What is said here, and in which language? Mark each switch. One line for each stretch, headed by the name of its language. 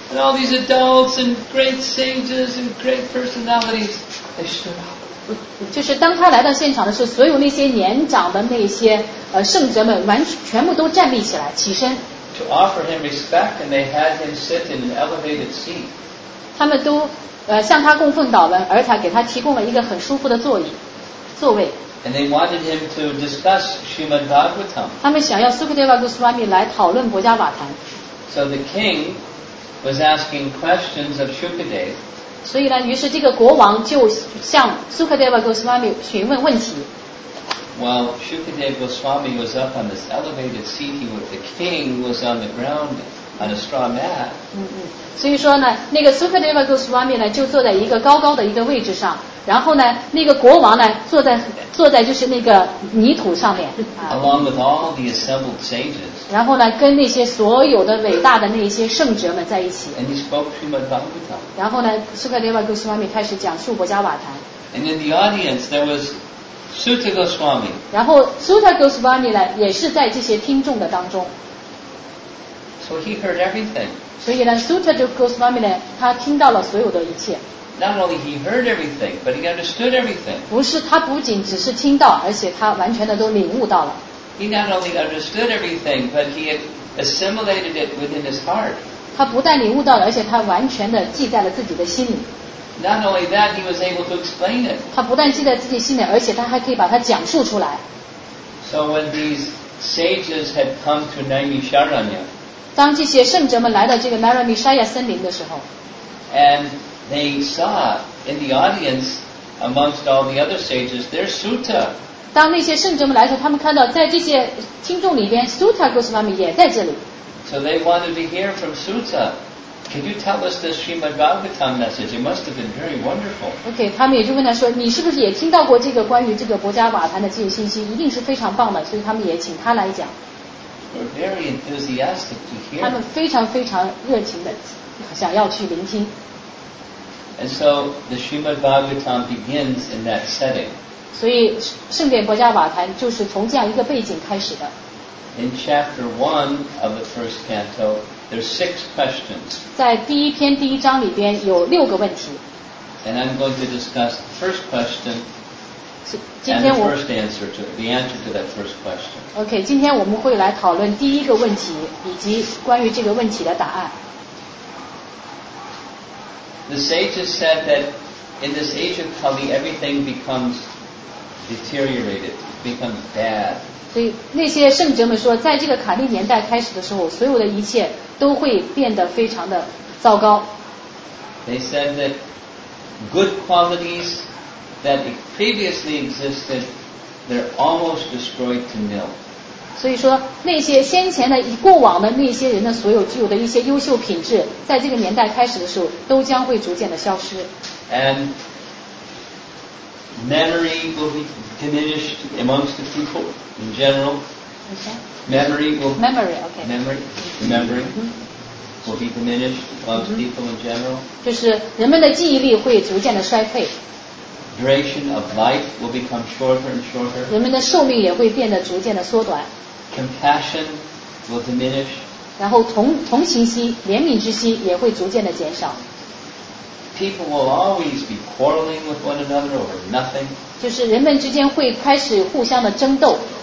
English: And all these adults and great sages and great personalities, they stood up.
Chinese: 就是当他来到现场的时候，所有那些年长的那些圣者们完全部都站立起来，起身。
English: To offer him respect, and they had him sit in an elevated seat.
Chinese: 他们都向他供奉祷文，而且给他提供了一个很舒服的座椅座位。
English: And they wanted him to discuss Srimad Bhagavatam.
Chinese: 他们想要 Shukadeva Goswami 来讨论佛家瓦坛。
English: So the king was asking questions of Shukadeva.
Chinese: 所以呢，于是这个国王就向 Shukadeva Goswami 询问问题。
English: While Shukadeva Goswami was up on this elevated seat, the king was on the ground. On a straw mat.
Chinese: 所以说呢，那个 Shukadeva Goswami 呢，就坐在一个高高的一个位置上，然后呢，那个国王呢，坐在就是那个泥土上面。
English: Along with all the assembled sages.
Chinese: 然后呢，跟那些所有的伟大的那些圣哲们在一起。
English: And he spoke Srimad Bhagavatam.
Chinese: 然后呢 ，Shukadeva Goswami 开始讲述佛家瓦坛。
English: And in the audience there was Sutta Goswami.
Chinese: 然后 Sutta Goswami 呢，也是在这些听众的当中。
English: So he heard everything.
Chinese: 所以呢 ，Sutta Goswami 呢，他听到了所有的一切。
English: Not only he heard everything, but he understood everything.
Chinese: 不是他不仅只是听到，而且他完全的都领悟到了。
English: He not only understood everything, but he had assimilated it within his heart.
Chinese: 他不但领悟到了，而且他完全的记在了自己的心里。
English: Not only that, he was able to explain it.
Chinese: 他不但记在自己心里，而且他还可以把它讲述出来。
English: So when these sages had come to Naimisharanya.
Chinese: 当这些圣者们来到这个 Naimisharanya 森林的时候
English: ，and they saw in the audience amongst all the other sages, their Sutta.
Chinese: 当那些圣者们来的时候，他们看到在这些听众里边 ，Sutta Goswami 也在这里。
English: So they wanted to hear from Sutta. Can you tell us the Srimad Bhagavatam message? It must have been very wonderful.
Chinese: Okay, 他们也就问他说，你是不是也听到过这个关于这个博迦瓦坛的这些信息？一定是非常棒的，所以他们也请他来讲。
English: We're very enthusiastic to hear.
Chinese: 他们非常非常热情的想要去聆听。
English: And so the Srimad Bhagavatam begins in that setting.
Chinese: 所以圣典博迦瓦坛就是从这样一个背景开始的。
English: In chapter 1 of the first canto, there's 6 questions.
Chinese: 在第一篇第一章里边有六个问题。
English: And I'm going to discuss the first question.
Chinese: 今天我
English: and the first answer to the answer to that first question.
Chinese: Okay, 今天我们会来讨论第一个问题以及关于这个问题的答案。
English: The sages said that in this age of Kali, everything becomes deteriorated, becomes bad.
Chinese: 所以那些圣者们说，在这个卡利年代开始的时候，所有的一切都会变得非常的糟糕。
English: They said that good qualities that previously existed, they're almost destroyed to nil.
Chinese: 所以说，那些先前的、以过往的那些人的所有具有的一些优秀品质，在这个年代开始的时候，都将会逐渐的消失。
English: And memory will be diminished amongst the people. In general,、 okay. memory will memory, okay. memory、mm-hmm. will be diminished amongst、mm-hmm. people in general.
Chinese: 就是人们的记忆力会逐渐的衰退。
English: Duration of life will become shorter and shorter.
Chinese: 人们的寿命也会变得逐渐的缩短。
English: Compassion will diminish.
Chinese: 然后同情心、怜悯之心也会逐渐的减少。
English: People will always be quarreling with one another over nothing.
Chinese: 就是人们之间会开始互相的争斗。